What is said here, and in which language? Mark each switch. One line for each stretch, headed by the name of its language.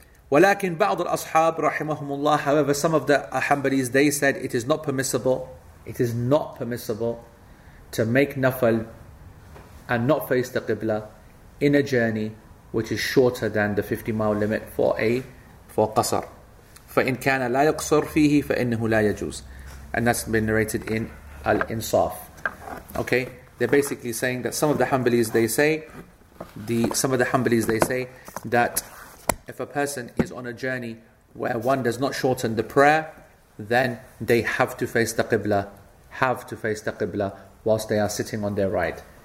Arabic: ولكن بعض الأصحاب رحمهم الله,
English: however, some of the Hanbalis, they said it is not permissible, it is not permissible to make nafal and not face the qibla in a journey which is shorter than the 50-mile limit for qasr.
Arabic: فإن كان لا يقصر فيه فإنه لا يجوز.
English: And that's been narrated in Al-Insaf. Okay, they're basically saying that some of the Hanbalis they say that if a person is on a journey where one does not shorten the prayer, then they have to face the Qibla whilst they are sitting on their right.